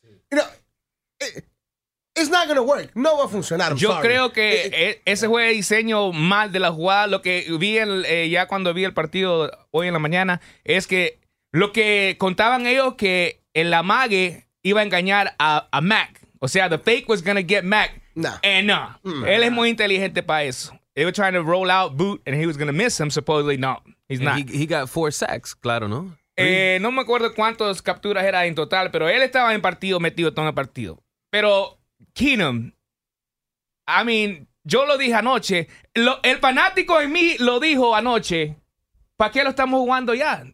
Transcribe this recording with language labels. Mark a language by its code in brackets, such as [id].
[en] No, it's not going to work. [es] No va a funcionar. Creo que ese fue el diseño mal de la jugada. Lo que vi ya cuando vi el partido hoy en la mañana es que lo que contaban ellos que el amague iba a engañar a Mac. O sea, [en] the fake was going to get Mac. [es] Él es muy inteligente para eso. [en] They were trying to roll out boot and he was going to miss him. Supposedly, no, he's not. He got 4 sacks, [es] claro, ¿no? No me acuerdo cuántas capturas era en total, pero él estaba en partido, metido todo en el partido. Pero Keenum, [en] I mean, [es] yo lo dije anoche, el fanático en mí lo dijo anoche, ¿para qué lo estamos jugando ya?